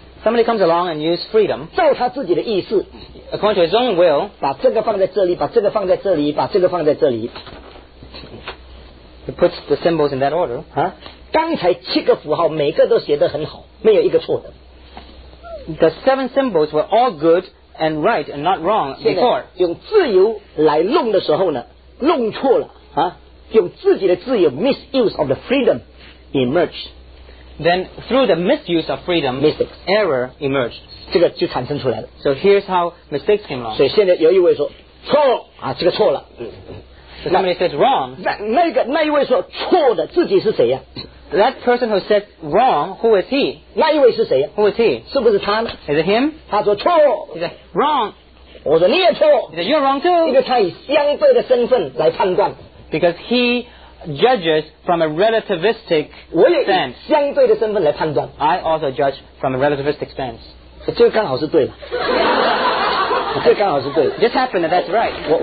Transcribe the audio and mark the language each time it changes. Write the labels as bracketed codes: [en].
[en] Somebody comes along and uses freedom. [zh] 照他自己的意思, [en] according to his own will, [zh] 把这个放在这里, 把这个放在这里, 把这个放在这里, [en] he puts the symbols in that order. [zh] 刚才七个符号, 每个都写得很好, 没有一个错的。 [en] The seven symbols were all good and right and not wrong before. [zh] 用自由来弄的时候呢, 弄错了, 用自己的自由, [en] misuse of the freedom emerged. Then through the misuse of freedom, mistakes. Error emerged. [zh] 这个就产生出来了。 [en] So here's how mistakes came along. [zh] 所以现在有一位说错啊，这个错了。 [en] So somebody says wrong. [zh] 那一位说错的自己是谁呀？ [en] That person who said wrong, who is he? [zh] 那一位是谁呀？ [en] Who is he? [zh] 是不是他呢？ [en] Is it him? [zh] 他说错。 [en] He said wrong. [zh] 我说你也错。 [en] He said you're wrong too. [zh] 因为他以相对的身份来判断。 [en] Because he judges from a relativistic stance. I also judge from a relativistic stance. [zh] 这刚好是对了。 [en] Just happened that's right.